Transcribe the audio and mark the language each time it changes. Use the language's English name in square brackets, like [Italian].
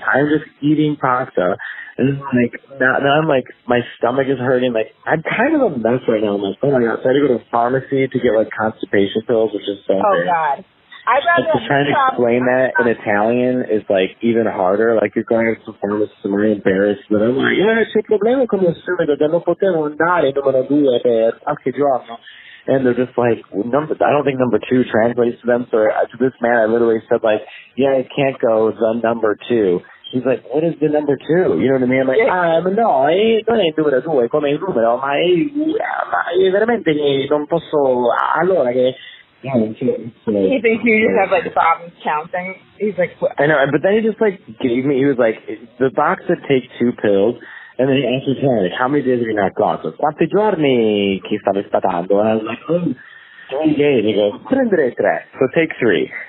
[English] I'm just eating pasta. And, like, now I'm, like, my stomach is hurting. Like, I'm kind of a mess right now. I'm like, oh, my God. So I had to go to the pharmacy to get, like, constipation pills, which is so bad. Oh, God. Trying to explain that in Italian is, like, even harder. Like, you're going to perform this, and I'm embarrassed. But I'm like, yeah, [Italian] c'è problema con il stomaco, da non poter andare, non vado a due, [English] okay, drop. And they're just like, I don't think number two translates to them. So to this man, I literally said, like, yeah, I can't go, the number two. He's like, what is the number two? You know what I mean? I'm like, I'm annoyed. [Italian] Non è il numero due, come il numero, ma è veramente, non posso, allora che... [English] He thinks you just have, like, problems counting. He's like, what? I know, but then he just, like, gave me, he was like, the box would take two pills, and then he answered him, like, how many days have you not gone? So, [Italian] quanti giorni che stavi aspettando? [English] And I was like, oh, 3 days. And he goes, [Italian] prendere tre. [English] So take three.